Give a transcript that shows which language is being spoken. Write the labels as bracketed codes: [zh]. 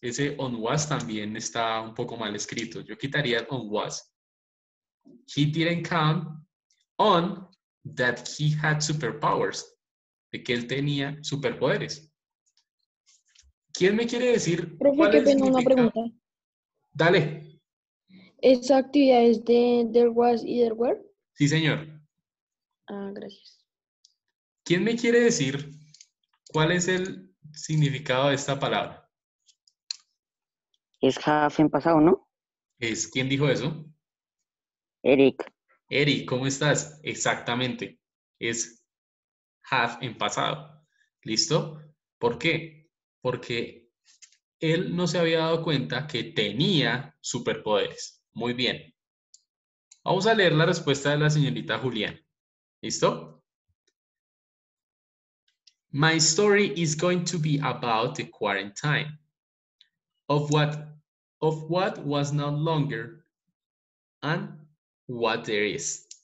[es] Ese [en] on was [es] también está un poco mal escrito. Yo quitaría el [en] on was. He didn't count on that he had superpowers. [es] De que él tenía superpoderes. ¿Quién me quiere decir? Profe, que tengo una pregunta. Dale. ¿Esa actividad es de [en] there was y there were? [es] Sí, señor. Gracias. ¿Quién me quiere decir cuál es el significado de esta palabra? Es half en pasado, ¿no? ¿Quién dijo eso? Eric, ¿cómo estás? Exactamente. Es half en pasado. ¿Listo? ¿Por qué? Porque él no se había dado cuenta que tenía superpoderes. Muy bien. Vamos a leer la respuesta de la señorita Julián. ¿Listo? [en] My story is going to be about the quarantine of what was no longer and what there is.